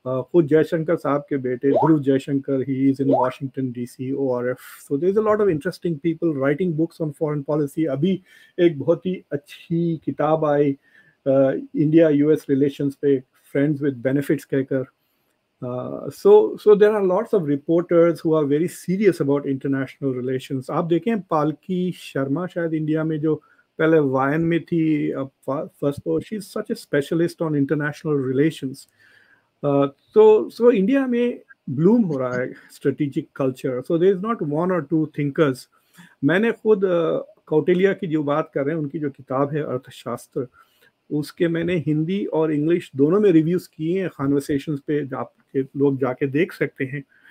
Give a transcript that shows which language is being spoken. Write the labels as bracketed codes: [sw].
[ur] خود جے شنکر صاحب کے بیٹے [en] Guru Jaishankar, he is in Washington D C O R F, so there is a lot of interesting people writing books on foreign policy. [ur] ابھی ایک بہت ہی اچھی کتاب آئی انڈیا یو ایس ریلیشنس پہ, فرینڈز ود بینیفٹس کہہ کر. [en] So there are lots of reporters who are very serious about international relations. [ur] آپ دیکھیں پالکی شرما, شاید انڈیا میں جو پہلے وائن میں تھی, اب first post, [en] She is such a specialist on international relations. [ur] تو انڈیا میں بلوم ہو رہا ہے strategic culture. [en] So there is not one or two thinkers. [ur] میں نے خود کوٹلیا کی جو بات کر رہے ہیں, ان کی جو کتاب ہے ارتھ شاستر, اس کے میں نے ہندی اور انگلش دونوں میں ریویوز کیے ہیں کانورسیشنز پہ, آپ کے لوگ جا کے دیکھ سکتے ہیں.